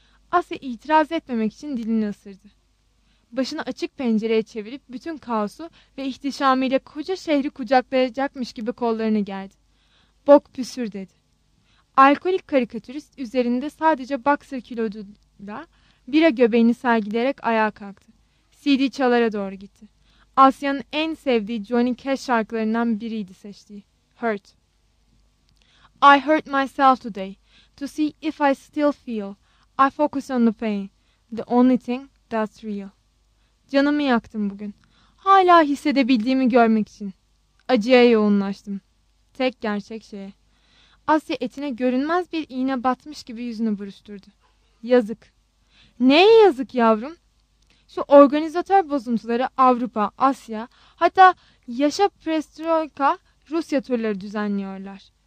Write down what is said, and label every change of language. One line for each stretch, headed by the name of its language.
Turkish: Asya itiraz etmemek için dilini ısırdı. Başını açık pencereye çevirip bütün kaosu ve ihtişamıyla koca şehri kucaklayacakmış gibi kollarını gerdi. Bok püsür, dedi. Alkolik karikatürist üzerinde sadece boxer kiloluyla bira göbeğini sergileyerek ayağa kalktı. CD çalara doğru gitti. Asya'nın en sevdiği Johnny Cash şarkılarından biriydi seçtiği.
English: Hurt. I hurt myself today to see if I still feel. I focus on the pain, the only thing that's real.
Turkish: Canımı yaktım bugün. Hala hissedebildiğimi görmek için. Acıya yoğunlaştım. Tek gerçek şeye. Asya etine görünmez bir iğne batmış gibi yüzünü buruşturdu. Yazık. Neye yazık yavrum? Şu organizatör bozuntuları Avrupa, Asya, hatta Yaşa Prestroika Rusya turları düzenliyorlar.